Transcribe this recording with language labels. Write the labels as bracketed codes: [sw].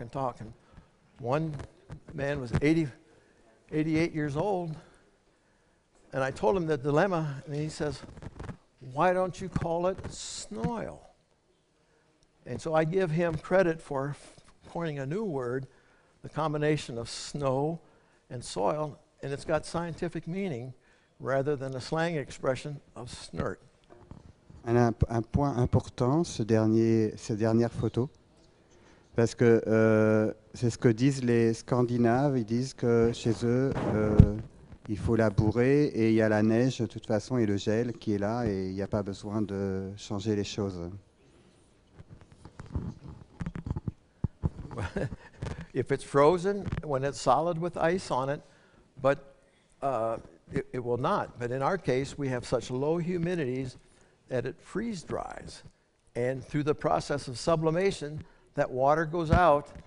[en] And one man was 88 years old, and I told him the dilemma, and he says, "Why don't you call it snoil?" And so I give him credit for coining a new word, the combination of snow and soil, and it's got scientific meaning rather than a slang expression of snert. [fr] And un point important, cette dernière photo, parce que c'est ce que disent les Scandinaves, ils disent que chez eux, il faut labourer et il y a la neige de toute façon et le gel qui est là et il n'y a pas besoin de changer les choses. [en] If it's frozen, when it's solid with ice on it, but it will not. But in our case, we have such low humidities that it freeze dries. And through the process of sublimation, that water goes out.